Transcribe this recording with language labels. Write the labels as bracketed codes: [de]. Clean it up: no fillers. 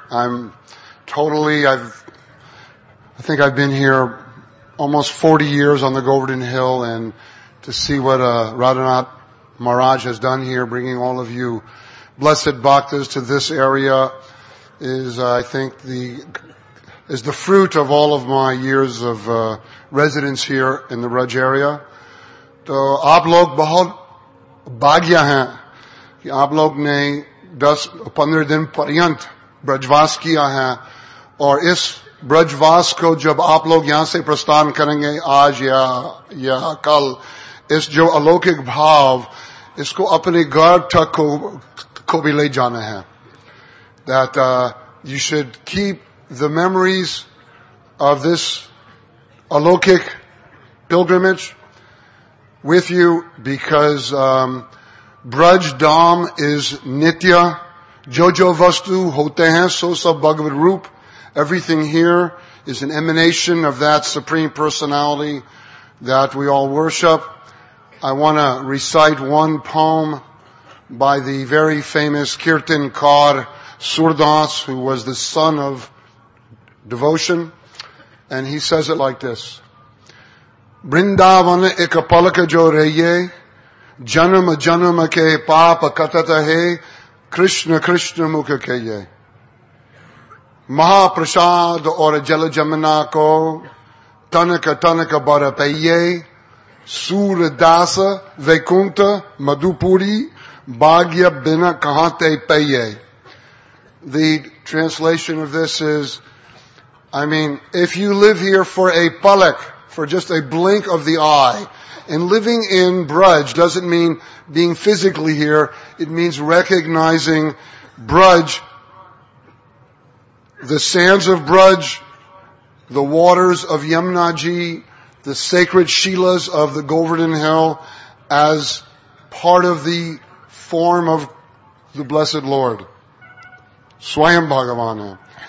[en] I think I've been here almost 40 years on the Govardhan Hill, and to see what Radhanath Maharaj has done here, bringing all of you blessed bhaktas to this area, is the fruit of all of my years of residence here in the Raj area. [hi] So, aap log bahut bhagya hain. कि आप लोग ने 10-15 दिन पर्यंत ब्रजवास किया है और इस ब्रजवास को जब आप लोग यहां से प्रस्थान करेंगे आज या कल इस जो अलौकिक भाव इसको अपने घर तक को भी ले जाना है [en] That you should keep the memories of this अलौकिक pilgrimage with you because Braj Dham is Nitya. [hi] Jojo Vastu Hote Hain So Sab Bhagavad Roop. [en] Everything here is an emanation of that Supreme Personality that we all worship. I want to recite one poem by the very famous Kirtan Kar Surdas, who was the son of devotion. And he says it like this. [bra] Brindavan Ika Palaka Jo Reye जन्म जन्म के पाप कटत है कृष्ण कृष्ण मुख के ये महाप्रसाद और जल जमुना को तनक तनक बर पैये सूरदास वैकुंठ मधुपुरी भाग्य बिन कहां ते पैये. [en] The translation of this is, I mean, if you live here for a palak, for just a blink of the eye. And living in Braj doesn't mean being physically here. It means recognizing Braj, the sands of Braj, the waters of Yamunaji, the sacred Shilas of the Govardhan Hill as part of the form of the Blessed Lord, Swayam Bhagavana.